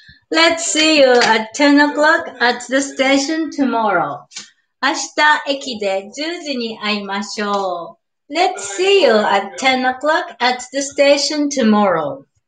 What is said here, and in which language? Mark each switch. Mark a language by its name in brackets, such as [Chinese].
[English] Let's see you at 10 o'clock at the station tomorrow. [Japanese] 明日駅で10時に会いましょう. [English] Let's see you at 10 o'clock at the station tomorrow.